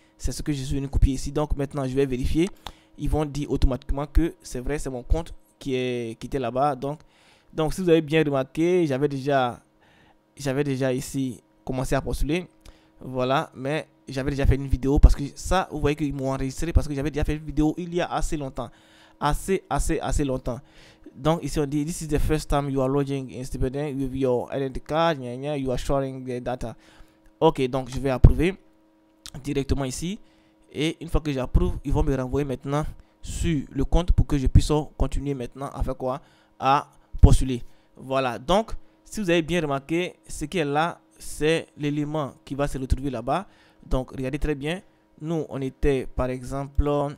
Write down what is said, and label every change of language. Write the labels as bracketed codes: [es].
[fr] c'est ce que je suis venu copier ici. Donc maintenant, je vais vérifier. Ils vont dire automatiquement que c'est vrai, c'est mon compte qui était là-bas. Donc si vous avez bien remarqué, j'avais déjà ici commencé à postuler. Voilà, mais j'avais déjà fait une vidéo parce que ça, vous voyez qu'ils m'ont enregistré parce que j'avais déjà fait une vidéo il y a assez longtemps. Assez longtemps. Donc ici on dit, [en] this is the first time you are logging in Stipendien with your identity card, you are sharing the data. [fr] Ok, donc je vais approuver directement ici. Et une fois que j'approuve, ils vont me renvoyer maintenant sur le compte pour que je puisse continuer maintenant à faire quoi? À postuler. Voilà, donc si vous avez bien remarqué, ce qui est là, c'est l'élément qui va se retrouver là-bas. Donc regardez très bien, nous on était par exemple...